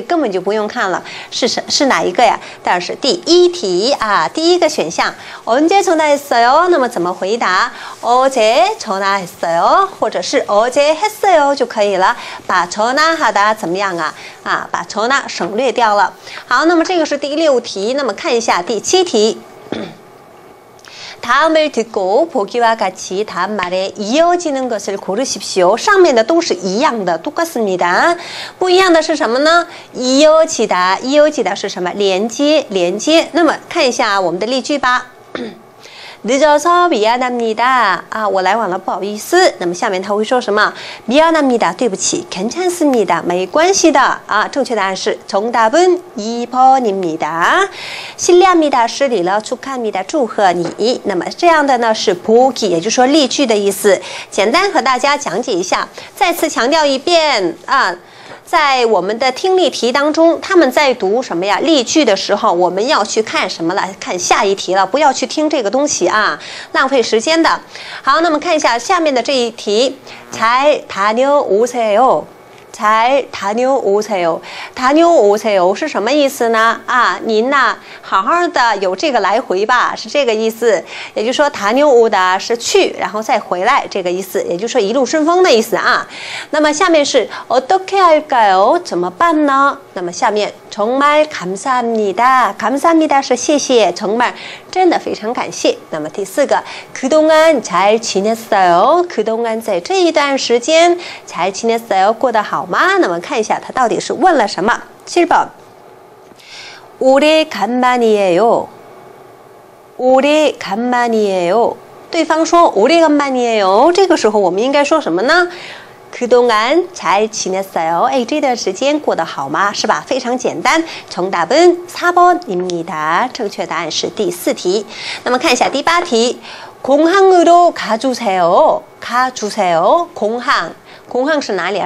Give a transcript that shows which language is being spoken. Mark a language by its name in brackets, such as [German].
[Chinese] 大家下面的这个根本就不用看了。是哪一个呀?但是第一题啊, 第一个选项, [Korean] 언제 전화했어요? [Chinese] 那么怎么回答? [Korean] 어제 전화했어요? [Chinese] 或者是 [Korean] 어제 했어요? [Chinese] 就可以了。把 전화하다 怎么样啊? 啊, 把 전화 省略掉了。好,那么这个是第六题, 那么看一下第七题。 [Korean] 다음을 듣고 보기와 같이 다음 말에 이어지는 것을 고르십시오. [Chinese] 上面的都是一样的, [Korean] 똑같습니다. [Chinese] 不一样的是什么呢? 이어지다, 이어지다是什么? 连接, 连接. 那么看一下我们的例句吧。 [Korean] 늦어서 미안합니다. [Chinese] 아, 我来晚了,不好意思. 那么下面他会说什么? [Korean] 미안합니다, [Chinese] 对不起. [Korean] 괜찮습니다, [Chinese] 没关系的. 아, 正确答案是, [Korean] 정답은 2번입니다. [Chinese] 실례합니다, 失礼了, 축하합니다, 祝贺你.那么这样的呢,是 보기, 也就是说例句的意思. 简单和大家讲解一下, 再次强调一遍, 啊, 在我们的听力题当中, 他们在读什么呀? 例句的时候, 我们要去看什么了?看下一题了, 不要去听这个东西啊, 浪费时间的。好, 那么看一下下面的这一题, [Korean] 잘 다녀오세요, 잘 다녀오세요, [Chinese] 다녀오세요是什么意思呢? 아, 您呢,好好的有这个来回吧, 是这个意思, 也就是说 다녀오다是去, 然后再回来,这个意思, 也就是说一路顺风的意思啊。那么下面是 [Korean] 어떻게 할까요? [Chinese] 怎么办呢? 那么下面, [Korean] 정말 감사합니다, [Chinese] 감사합니다是谢谢, 정말, 真的非常感谢。那么第四个, [Korean] 그동안 잘 지냈어요, [Chinese] 그동안在这一段时间, 잘 지냈어요, 过得好吗?那么看一下他到底是问了什么? [Korean] 7번, 오래간만이에요, 오래간만이에요. [Chinese] 对方说 [Korean] 오래간만이에요, [Chinese] 这个时候我们应该说什么呢? [Korean] 그동안 잘 지냈어요, [Chinese] 这段时间过得好吗?是吧? 非常简单, [Korean] 정답은 4번입니다, [Chinese] 正确答案是第四题。那么看一下第八题, [Korean] 공항으로 가주세요, [Chinese] 가주세요, 공항, 공항是哪里啊?